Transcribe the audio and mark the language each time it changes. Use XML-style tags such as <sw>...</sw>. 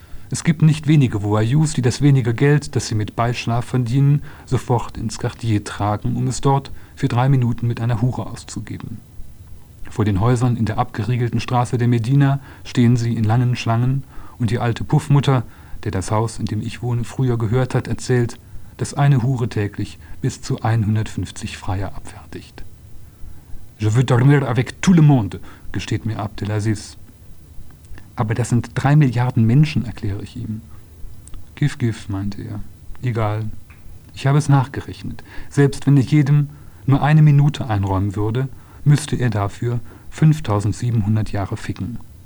<de>Es gibt nicht wenige Voyous, die das wenige Geld, das sie mit Beischlaf verdienen, sofort ins Quartier tragen, um es dort für 3 Minuten mit einer Hure auszugeben. Vor den Häusern in der abgeriegelten Straße der Medina stehen sie in langen Schlangen und die alte Puffmutter, der das Haus, in dem ich wohne, früher gehört hat, erzählt, dass eine Hure täglich bis zu 150 Freier abfertigt.</de> <fr>Je veux dormir avec tout le monde,</fr> <de>gesteht mir Abdelaziz. Aber das sind 3 Milliarden Menschen, erkläre ich ihm. Gif, gif, meinte er. Egal. Ich habe es nachgerechnet. Selbst wenn ich jedem nur 1 Minute einräumen würde, müsste er dafür 5700 Jahre ficken.</de>